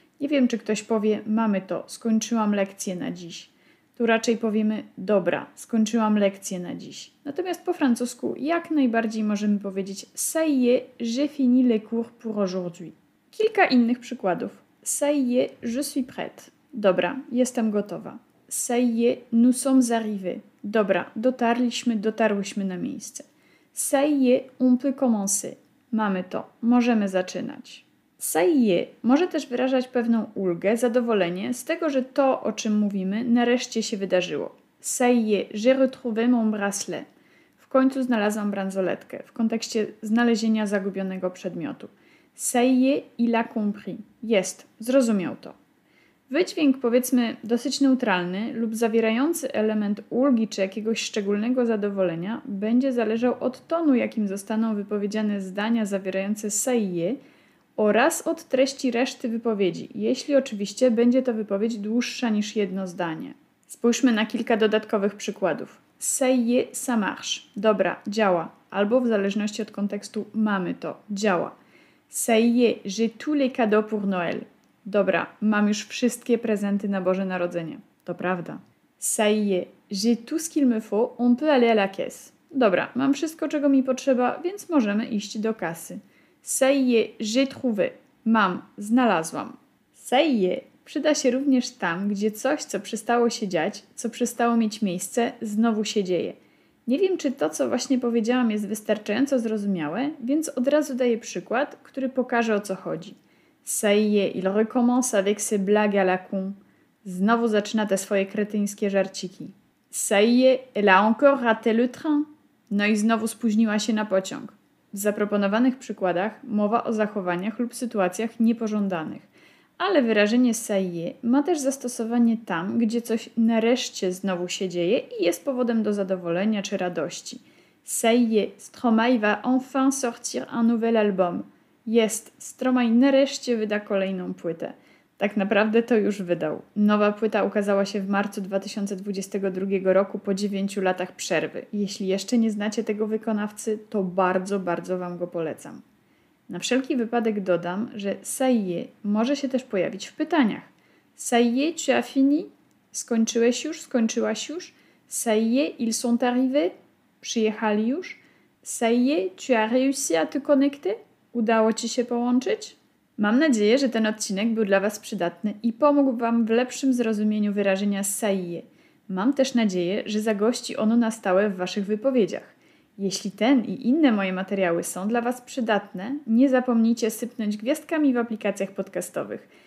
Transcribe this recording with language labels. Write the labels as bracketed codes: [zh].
[pl] Nie wiem, czy ktoś powie, mamy to, skończyłam lekcję na dziś. Tu raczej powiemy, dobra, skończyłam lekcję na dziś. Natomiast po francusku jak najbardziej możemy powiedzieć [fr] ça y est, j'ai fini le cours pour aujourd'hui. [pl] Kilka innych przykładów. [fr] Ça y est, je suis prête. [pl] Dobra, jestem gotowa. [fr] Ça y est, nous sommes arrivés. [pl] Dobra, dotarłyśmy na miejsce. [fr] Ça y est, on peut commencer. [pl] Mamy to, możemy zaczynać. Ça y est może też wyrażać pewną ulgę, zadowolenie z tego, że to, o czym mówimy, nareszcie się wydarzyło. [fr] Ça y est, j'ai retrouvé mon bracelet. [pl] W końcu znalazłam bransoletkę w kontekście znalezienia zagubionego przedmiotu. [fr] Ça y est, il a compris. [pl] Jest, zrozumiał to. Wydźwięk, powiedzmy, dosyć neutralny lub zawierający element ulgi czy jakiegoś szczególnego zadowolenia będzie zależał od tonu, jakim zostaną wypowiedziane zdania zawierające ça y est, oraz od treści reszty wypowiedzi, jeśli oczywiście będzie to wypowiedź dłuższa niż jedno zdanie. Spójrzmy na kilka dodatkowych przykładów. [fr] Ça y est, ça marche. [pl] Dobra, działa. Albo w zależności od kontekstu mamy to, działa. [fr] Ça y est, j'ai tous les cadeaux pour Noël. [pl] Dobra, mam już wszystkie prezenty na Boże Narodzenie. To prawda. [fr] Ça y est, j'ai tout ce qu'il me faut, on peut aller à la caisse. [pl] Dobra, mam wszystko, czego mi potrzeba, więc możemy iść do kasy. [fr] Ça y est, j'ai trouvé. [pl] Mam, znalazłam. Ça y est przyda się również tam, gdzie coś, co przestało się dziać, co przestało mieć miejsce, znowu się dzieje. Nie wiem, czy to, co właśnie powiedziałam, jest wystarczająco zrozumiałe, więc od razu daję przykład, który pokaże, o co chodzi. [fr] Ça y est, il recommence avec ses blagues à la con. [pl] Znowu zaczyna te swoje kretyńskie żarciki. [fr] Ça y est, elle a encore raté le train. [pl] No i znowu spóźniła się na pociąg. W zaproponowanych przykładach mowa o zachowaniach lub sytuacjach niepożądanych. Ale wyrażenie ça y est ma też zastosowanie tam, gdzie coś nareszcie znowu się dzieje i jest powodem do zadowolenia czy radości. [fr] Ça y est, Stromae va enfin sortir un nouvel album. [pl] Jest, Stromae nareszcie wyda kolejną płytę. Tak naprawdę to już wydał. Nowa płyta ukazała się w marcu 2022 roku po 9 latach przerwy. Jeśli jeszcze nie znacie tego wykonawcy, to bardzo, bardzo Wam go polecam. Na wszelki wypadek dodam, że ça y est może się też pojawić w pytaniach. [fr] Ça y est, tu as fini? [pl] Skończyłeś już? Skończyłaś już? [fr] Ça y est, ils sont arrivés? [pl] Przyjechali już? [fr] Ça y est, tu as réussi à te connecter? [pl] Udało Ci się połączyć? Mam nadzieję, że ten odcinek był dla Was przydatny i pomógł Wam w lepszym zrozumieniu wyrażenia ça y est. Mam też nadzieję, że zagości ono na stałe w Waszych wypowiedziach. Jeśli ten i inne moje materiały są dla Was przydatne, nie zapomnijcie sypnąć gwiazdkami w aplikacjach podcastowych.